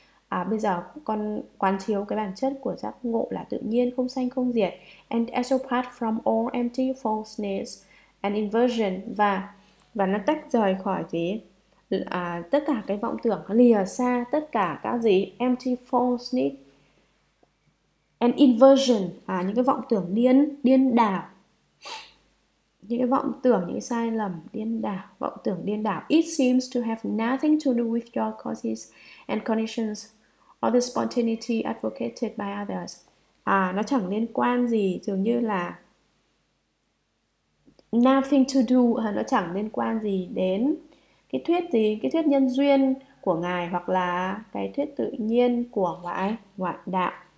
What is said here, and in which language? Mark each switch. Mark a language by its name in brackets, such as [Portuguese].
[Vietnamese] Bây giờ con quán chiếu cái bản chất của giác ngộ là tự nhiên, không sanh không diệt, [English] and as apart from all empty falseness and inversion, [Vietnamese] và nó tách rời khỏi gì, tất cả cái vọng tưởng, lìa xa tất cả các gì, [English] empty falseness and inversion, [Vietnamese] những cái vọng tưởng điên điên đảo, những cái vọng tưởng, những sai lầm điên đảo, vọng tưởng điên đảo. [English] It seems to have nothing to do with your causes and conditions or the spontaneity advocated by others. [Vietnamese] Nó chẳng liên quan gì, dường như là [English] nothing to do, [Vietnamese] nó chẳng liên quan gì đến cái thuyết gì, cái thuyết nhân duyên của ngài hoặc là cái thuyết tự nhiên của ngoại ngoại đạo.